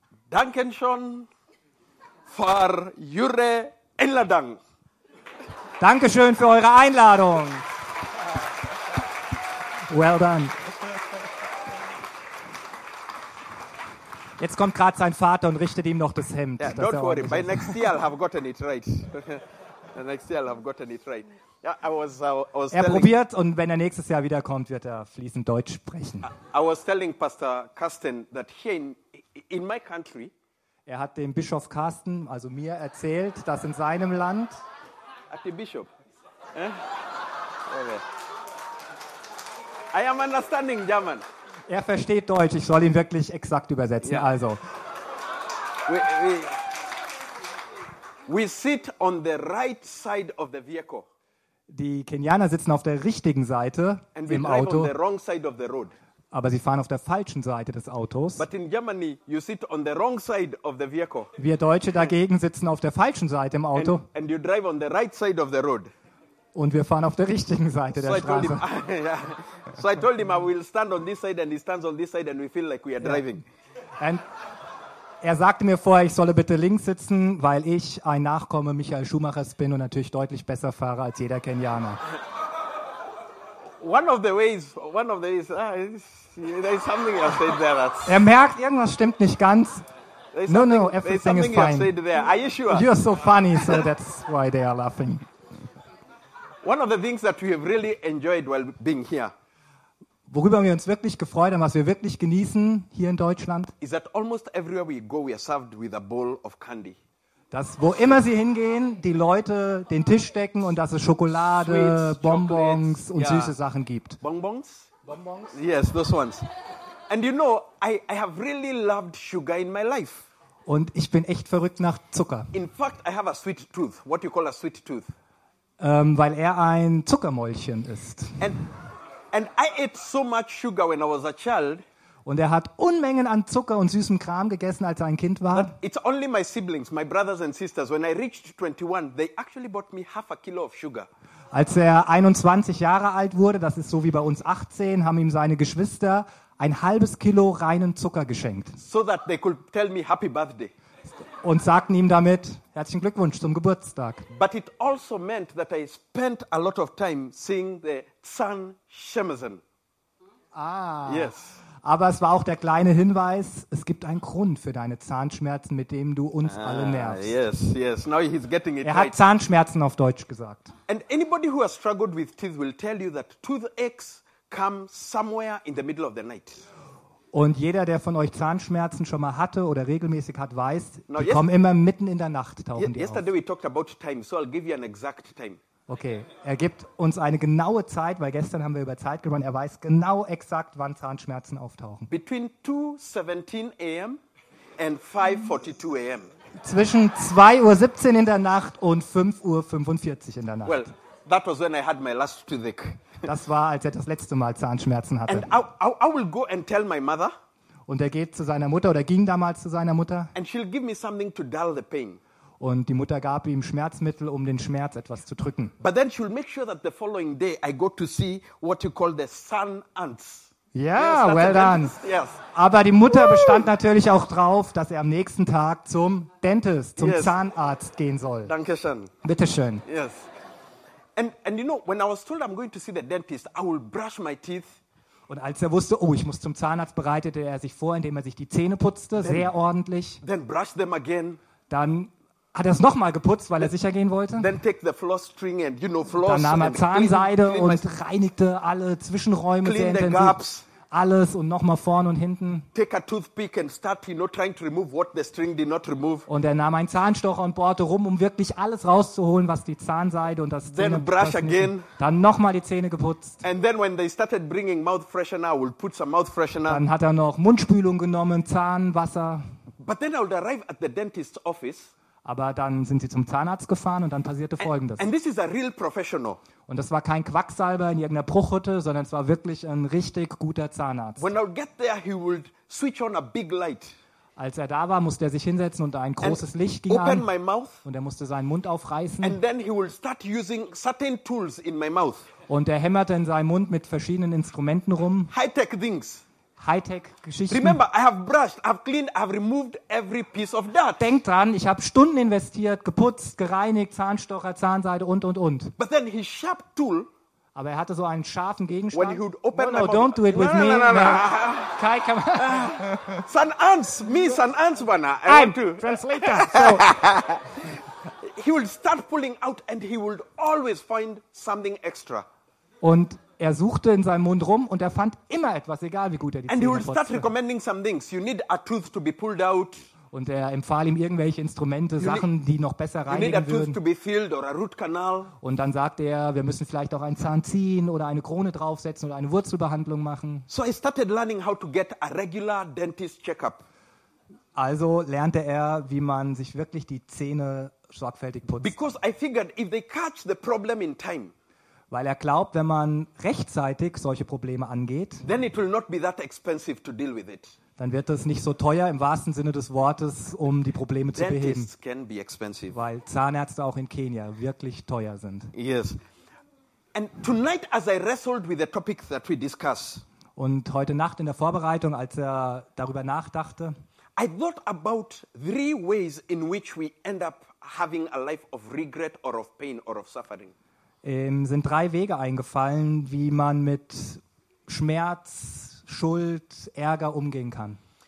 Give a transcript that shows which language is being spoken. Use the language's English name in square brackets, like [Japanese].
[German] Danke schon für Ihre Einladung. Dankeschön für eure Einladung. [English] Well done. [German] Jetzt kommt gerade sein Vater und richtet ihm noch das Hemd. [English] Yeah, don't worry, by next year I have gotten it right. The next year I have gotten it right. Yeah, I was [German] er probiert und wenn er nächstes Jahr wiederkommt, wird er fließend Deutsch sprechen. [English] I was telling Pastor Carsten that here in my country. [German] Er hat dem Bischof Carsten, also mir, erzählt, dass in seinem Land. [English] At the bishop. Okay. I am understanding German. [German] Er versteht Deutsch, ich soll ihn wirklich exakt übersetzen. [English] Yeah. Also. We sit on the right side of the vehicle. [German] Die Kenianer sitzen auf der richtigen Seite [English] and we [German] im Auto. [English] On the wrong side of the road. [German] Aber sie fahren auf der falschen Seite des Autos. [English] But in Germany, you sit on the wrong side of the vehicle. [German] Wir Deutsche dagegen sitzen auf der falschen Seite im Auto. [English] And you drive on the right side of the road. [German] Und wir fahren auf der richtigen Seite der Straße. [English] So I told him I will stand on this side and he stands on this side and we feel like we are driving. [German] And er sagte mir vorher, ich solle bitte links sitzen, weil ich ein Nachkomme Michael Schumachers bin und natürlich deutlich besser fahre als jeder Kenianer. [English] One of the ways, there is something I said there. That's... [German] Er merkt, irgendwas stimmt nicht ganz. [English] No, everything is fine. Said there. Are you sure? You're so funny, so that's why they are laughing. One of the things that we have really enjoyed while being here. [German] Worüber wir uns wirklich gefreut haben, was wir wirklich genießen hier in Deutschland. [English] Is that almost everywhere we go, we are served with a bowl of candy. [German] Dass wo immer sie hingehen, die Leute den Tisch decken und dass es Schokolade, [English] Sweets, [German] Bonbons und süße Sachen gibt. [English] Bonbons? Yes, those ones. And you know, I have really loved sugar in my life. [German] Und ich bin echt verrückt nach Zucker. [English] In fact, I have a sweet tooth. What you call a sweet tooth? [German] Weil er ein Zuckermäulchen ist. [English] And I ate so much sugar when I was a child. [German] Und er hat Unmengen an Zucker und süßem Kram gegessen, als er ein Kind war. [English] It's only my siblings, my brothers and sisters, when I reached 21, they actually bought me half a kilo of sugar. [German] Als er 21 Jahre alt wurde, das ist so wie bei uns 18, haben ihm seine Geschwister ein halbes Kilo reinen Zucker geschenkt. [English] So that they could tell me happy birthday. [German] Und sagten ihm damit herzlichen Glückwunsch zum Geburtstag. [English] But it also meant that I spent a lot of time seeing the Zahn Shemesen. Ah. Yes. [German] Aber es war auch der kleine Hinweis, es gibt einen Grund für deine Zahnschmerzen, mit dem du uns alle nervst. [English] Yes, yes. Now he's getting it [German] right. Er hat Zahnschmerzen auf Deutsch gesagt. [English] And anybody who has struggled with teeth will tell you that toothaches come somewhere in the middle of the night. [German] Und jeder, der von euch Zahnschmerzen schon mal hatte oder regelmäßig hat, weiß, now, die kommen immer mitten in der Nacht, tauchen die [English] yesterday [German] auf. [English] We talked about time, so I'll give you an exact time. [German] Okay, er gibt uns eine genaue Zeit, weil gestern haben wir über Zeit gesprochen. Er weiß genau exakt, wann Zahnschmerzen auftauchen. [English] Between 2:17 a.m. and 5:42 a.m. [German] Zwischen 2:17 Uhr in der Nacht und 5:45 Uhr in der Nacht. [English] Well, that was when I had my last toothache. [German] Das war, als er das letzte Mal Zahnschmerzen hatte. [English] And I will go and tell my mother. [German] Und er geht zu seiner Mutter oder ging damals zu seiner Mutter. [English] And she'll give me something to dull the pain. [German] Und die Mutter gab ihm Schmerzmittel, um den Schmerz etwas zu drücken. [English] But then she'll make sure that the following day I go to see what you call the sun ants. Yeah, yes, well done. Yes. [German] Aber die Mutter bestand natürlich auch drauf, dass er am nächsten Tag zum Dentist, zum Zahnarzt gehen soll. Dankeschön. Bitteschön. [English] Yes. And you know, when I was told I'm going to see the dentist, I will brush my teeth. [German] Und als er wusste, oh, ich muss zum Zahnarzt, bereitete er sich vor, indem er sich die Zähne putzte, then, sehr ordentlich. [English] Then brush them again. [German] Dann hat er es nochmal geputzt, weil er sicher gehen wollte. [English] Then take the floss string and, you know, floss. [German] Dann nahm er Zahnseide und reinigte alle Zwischenräume sehr intensiv. [English] Gaps. [German] Alles und nochmal vorne und hinten. [English] Take a toothpick and start, you know, trying to remove what the string did not remove. [German] Und er nahm einen Zahnstocher und bohrte rum, um wirklich alles rauszuholen, was die Zahnseide und das [English] Zähne brush again. [German] Dann nochmal die Zähne geputzt. [English] And then when they started bringing mouth freshener, we'll put some mouth freshener. [German] Dann hat er noch Mundspülung genommen, Zahnwasser. [English] But then I would arrive at the dentist's office. [German] Aber dann sind sie zum Zahnarzt gefahren und dann passierte Folgendes. [English] And this is a real professional. [German] Und das war kein Quacksalber in irgendeiner Bruchhütte, sondern es war wirklich ein richtig guter Zahnarzt. [English] When I'll get there, he would switch on a big light. [German] Als er da war, musste er sich hinsetzen und ein großes [English] and [German] Licht ging [English] open [German] an. [English] My mouth. [German] Und er musste seinen Mund aufreißen. [English] And then he would start using certain tools in my mouth. [German] Und er hämmerte in seinem Mund mit verschiedenen Instrumenten rum. [English] High-tech things. [German] Hightech-Geschichten. [English] Remember, I have brushed, I've cleaned, I've removed every piece of dirt. [German] Denk dran, ich habe Stunden investiert, geputzt, gereinigt, Zahnstocher, Zahnseide und und. [English] But then his sharp tool. [German] Aber er hatte so einen scharfen Gegenstand. [English] When he would open no, don't do it with me. Kai, come on. San Ans, me, San Ans, Wana. I'm to. Translator. He would start pulling out and he would always find something extra. [German] Und er suchte in seinem Mund rum und er fand immer etwas, egal wie gut er die Zähne putzte. Und er empfahl ihm irgendwelche Instrumente, Sachen, die noch besser reinigen würden. [English] To be filled or a root canal. [German] Und dann sagte er, wir müssen vielleicht auch einen Zahn ziehen oder eine Krone draufsetzen oder eine Wurzelbehandlung machen. [English] So I started learning how to get a regular dentist checkup. [German] Also lernte er, wie man sich wirklich die Zähne sorgfältig putzt. [English] Because I figured if they catch the problem in time, [German] weil er glaubt, wenn man rechtzeitig solche Probleme angeht, [English] then it will not be that expensive to deal with it. [German] Dann wird es nicht so teuer im wahrsten Sinne des Wortes, um die Probleme zu beheben. [English] Dentists can be expensive. [German] Weil Zahnärzte auch in Kenia wirklich teuer sind. [English] Yes. And tonight, as I wrestled with the topic that we discuss, [German] und heute Nacht in der Vorbereitung, als er darüber nachdachte, [English] I thought about three ways in which we end up having a life of regret or of pain or of suffering. [German] Sind drei Wege eingefallen, wie man mit Schmerz, Schuld, Ärger umgehen kann.